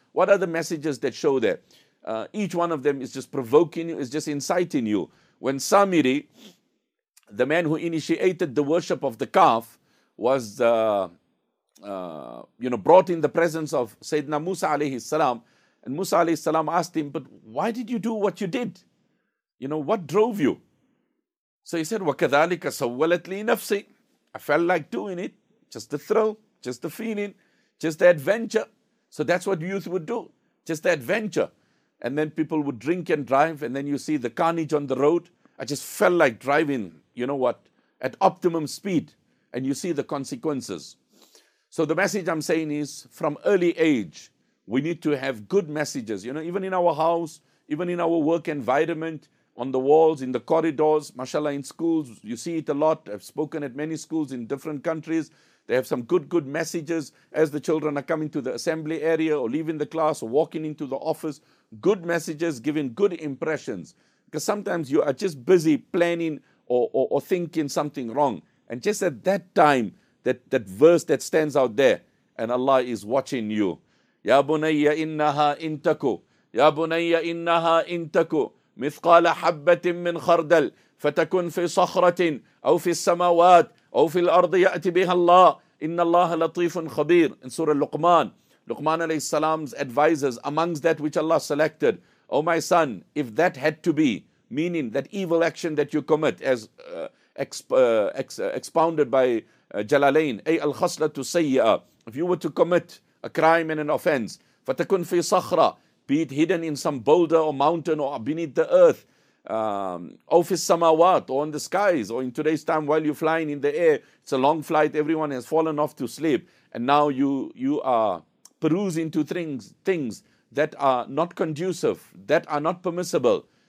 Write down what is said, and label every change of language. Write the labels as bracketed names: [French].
[English] What are the messages that show there? Each one of them is just provoking you, is just inciting you. When Samiri, the man who initiated the worship of the calf, was brought in the presence of Sayyidina Musa alayhi salam, and Musa alayhi salam asked him, but why did you do what you did? You know, what drove you? So he said, [Arabic] وَكَذَلِكَ سَوَّلَتْ لِي نَفْسِي. [English] I felt like doing it, just the thrill, just the feeling, just the adventure. So that's what youth would do, just the adventure. And then people would drink and drive, and then you see the carnage on the road. I just felt like driving, you know what, at optimum speed, and you see the consequences. So the message I'm saying is, from early age, we need to have good messages. You know, even in our house, even in our work environment, on the walls, in the corridors, mashallah, in schools, you see it a lot. I've spoken at many schools in different countries. They have some good messages as the children are coming to the assembly area or leaving the class or walking into the office. Good messages, giving good impressions. Because sometimes you are just busy planning or thinking something wrong. And just at that time, that verse that stands out there, and Allah is watching you. [Arabic] Ya bunayya innaha intaku. يا بني إنها إن تك مثقال حبة من خردل فتكن في صخرة أو في السماوات أو في الأرض يأتي بها الله إن الله لطيف خبير. [English] In Surah Luqman, Luqman alayhi salam's advisors, amongst that which Allah selected, O my son, if that had to be, meaning that evil action that you commit, as expounded by Jalalain, [Arabic] أي الخصلة سيئة, [English] if you were to commit a crime and an offense, [Arabic] فتكن في صخرة, [English] be it hidden in some boulder or mountain or beneath the earth, office samawat, or in the skies, or in today's time while you're flying in the air, it's a long flight, everyone has fallen off to sleep, and now you are perusing to things that are not conducive, that are not permissible.